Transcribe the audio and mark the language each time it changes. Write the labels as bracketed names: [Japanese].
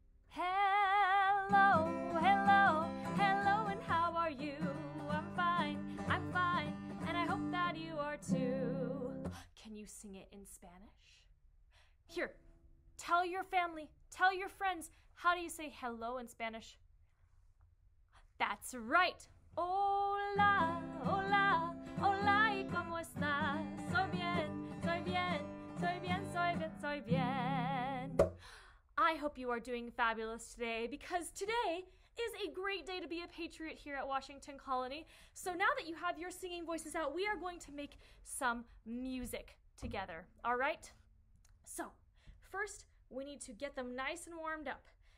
[English] Hello, hello, hello and how are you? I'm fine, and I hope that you are too. Can you sing it in Spanish? Here, tell your family, tell your friends, how do you say hello in Spanish? That's right. [Spanish] Hola, hola, hola, ¿y cómo estás? Soy bien, soy bien, soy bien, soy bien, soy bien. [English] I hope you are doing fabulous today, because today is a great day to be a patriot here at Washington Colony. So now that you have your singing voices out, we are going to make some music together, all right? So first, we need to get them nice and warmed up.